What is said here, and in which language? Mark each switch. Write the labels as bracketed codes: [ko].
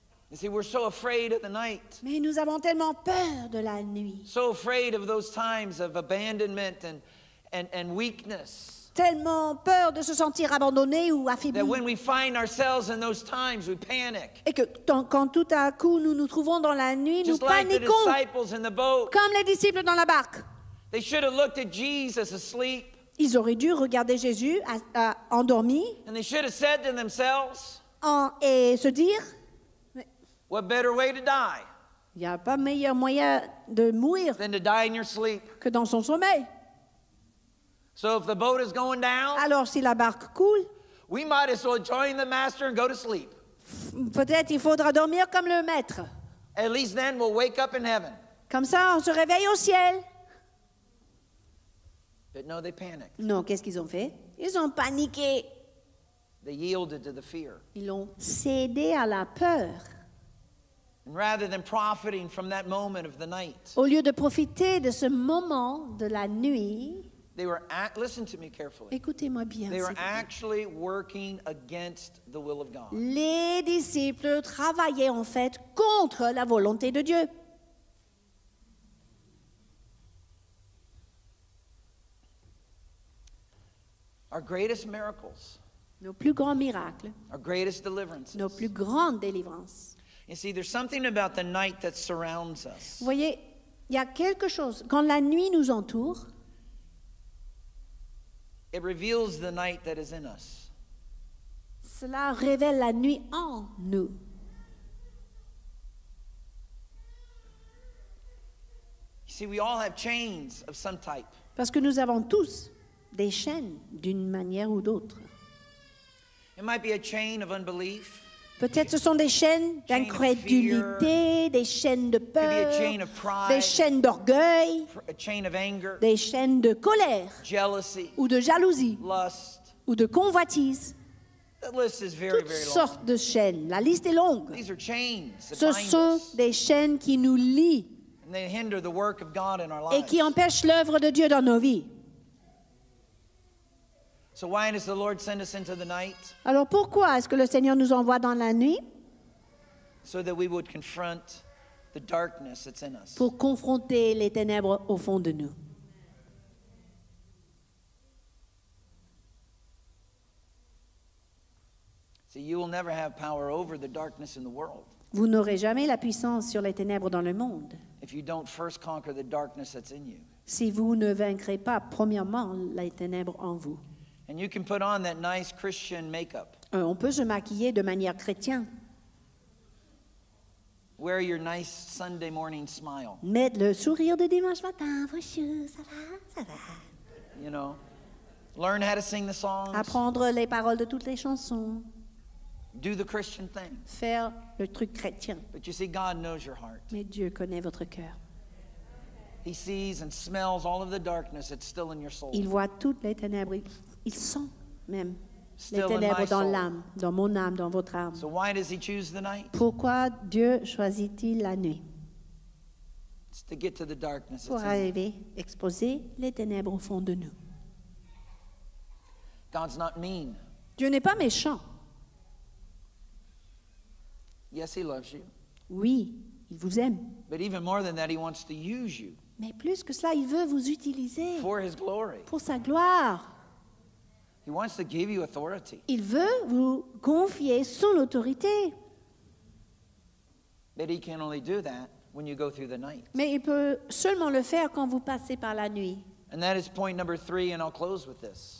[en] You see, we're so afraid of the night. [fr] Mais nous avons tellement peur de la nuit. [en] So afraid of those times of abandonment and weakness. [fr] Tellement peur de se sentir abandonné ou affaibli. [en] That when we find ourselves in those times, we panic. [fr] Et que quand tout à coup nous nous trouvons dans la nuit, [en] just [fr] nous [en] like [fr] paniquons. [en] The disciples in the boat. [fr] Comme les disciples dans la barque. [en] They should have looked at Jesus asleep. [fr] Ils auraient dû regarder Jésus endormi. [en] And they should have said to themselves. [fr] Et se dire. [en] What better way to die? [fr] Il y a pas meilleur moyen de mourir [en] than to die in your sleep. [fr] Que dans son sommeil. [en] So if the boat is going down, [fr] alors si la barque coule, [en] we might as well join the master and go to sleep. [fr] Peut-être il faudra dormir comme le maître. [en] At least then we'll wake up in heaven. [fr] Comme ça on se réveille au ciel. [en] But no, they panicked. [fr] Non, qu'est-ce qu'ils ont fait? Ils ont paniqué. [en] They yielded to the fear. [fr] Ils ont cédé à la peur. [en] And rather than profiting from that moment of the night, [fr] au lieu de profiter de ce moment de la nuit, [en] they were listen to me carefully. [fr] Écoutez-moi bien. [en] They were actually working against the will of God. [fr] Les disciples travaillaient en fait contre la volonté de Dieu. [en] Our greatest miracles. [fr] Nos plus grands miracles. [en] Our greatest deliverances. [fr] Nos plus grandes délivrances. [en] You see, there's something about the night that surrounds us. [fr] Vous voyez, il y a quelque chose quand la nuit nous entoure. [en] It reveals the night that is in us. [fr] Cela révèle la nuit en nous. [en] You see, we all have chains of some type. [fr] Parce que nous avons tous des chaînes d'une manière ou d'autre. [en] It might be a chain of unbelief. [fr] Peut-être ce sont des chaînes d'incrédulité, des chaînes de peur, des chaînes d'orgueil, des chaînes de colère, ou de jalousie, ou de convoitise. Toutes sortes de chaînes. La liste est longue. Ce sont des chaînes qui nous lient et qui empêchent l'œuvre de Dieu dans nos vies. [en] So why does the Lord send us into the night? [fr] Alors pourquoi est-ce que le Seigneur nous envoie dans la nuit? [en] So that we would confront the darkness that's in us. [fr] Pour confronter les ténèbres au fond de nous. [en] See, you will never have power over the darkness in the world. [fr] Vous n'aurez jamais la puissance sur les ténèbres dans le monde. [en] If you don't first conquer the darkness that's in you. [fr] Si vous ne vaincrez pas premièrement les ténèbres en vous. [en] And you can put on that nice Christian makeup. [fr] On peut se maquiller de manière chrétienne. [en] Wear your nice Sunday morning smile. [fr] Mettre le sourire de dimanche matin. Vos cheveux, ça va, ça va. [en] You know. Learn how to sing the songs. [fr] Apprendre les paroles de toutes les chansons. [en] Do the Christian thing. [fr] Faire le truc chrétien. [en] But you see, God knows your heart. [fr] Mais Dieu connaît votre cœur. [en] He sees and smells all of the darkness that's still in your soul. [fr] Il voit toutes les ténèbres. Il sent même les ténèbres dans l'âme, dans mon âme, dans votre âme. [en] So why does he choose the night? [fr] Pourquoi Dieu choisit-il la nuit? [en] It's to get to the darkness. [fr] Pour arriver, exposer les ténèbres au fond de nous. [en] God's not mean. [fr] Dieu n'est pas méchant. [en] Yes, he loves you. [fr] Oui, il vous aime. [en] But even more than that, he wants to use you. [fr] Mais plus que cela, il veut vous utiliser. [en] For his glory. [fr] Pour sa gloire. [en] He wants to give you authority. [fr] Il veut vous confier son autorité. [en] But he can only do that when you go through the night. [fr] Mais il peut seulement le faire quand vous passez par la nuit. [en] And that is point number three, and I'll close with this.